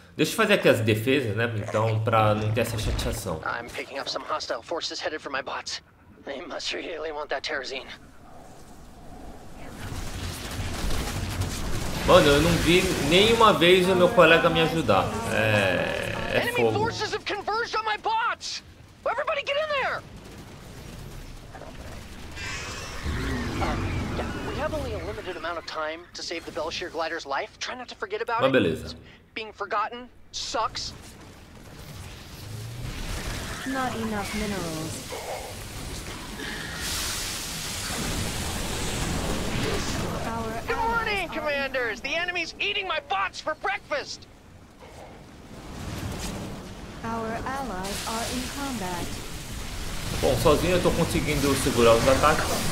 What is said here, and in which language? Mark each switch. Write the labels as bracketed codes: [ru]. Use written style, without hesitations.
[pt] Deixa eu fazer aqui as defesas, né? Então, pra não ter essa chateação. [en] I'm picking up some hostile forces headed for my bots. They must really want that Terezin. [pt] Mano, eu não vi nenhuma vez o meu colega me ajudar. [en] Enemy forces have converged on my bots! Everybody get in there! We have only a limited amount of time to save the Belshir glider's life. Try not to forget about it. [pt] Mas beleza. [en] Being forgotten sucks. Not enough minerals. Good morning, commanders! The enemy's eating my bots for breakfast! Our allies are in combat. [pt] Bom, sozinho eu tô conseguindo segurar os ataques.